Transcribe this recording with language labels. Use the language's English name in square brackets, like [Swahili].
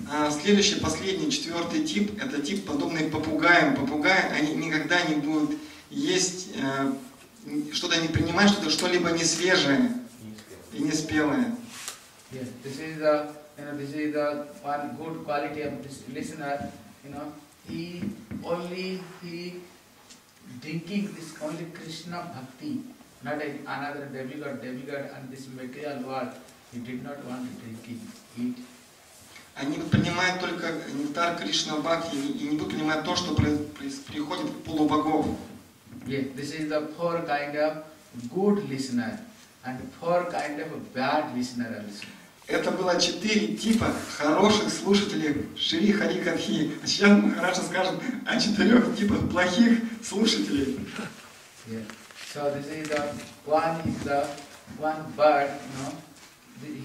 [Russian] Следующий, последний, четвертый тип, это тип, подобный попугаям. Попугаи, они никогда не будут есть что-то, не принимать что-то, что-либо несвежее и неспелое. [English] Yes, this is the, you know, this is the one good quality of this listener, you know, he only, he drinking this only Krishna bhakti, not another demigod and this material world. He did not want to drink it. [Russian] Они принимают только нектар Кришна Бхакти и не будут принимать то, что приходит к полу богов. [English] Yes, this is the four kind of good listener and four kind of bad listener also. [Russian] Это было четыре типа хороших слушателей Шри Хари Кадхи. А сейчас Махараджа скажет о четырех типах плохих слушателей. [English] Yes. So this is the one, is the one bird, you know.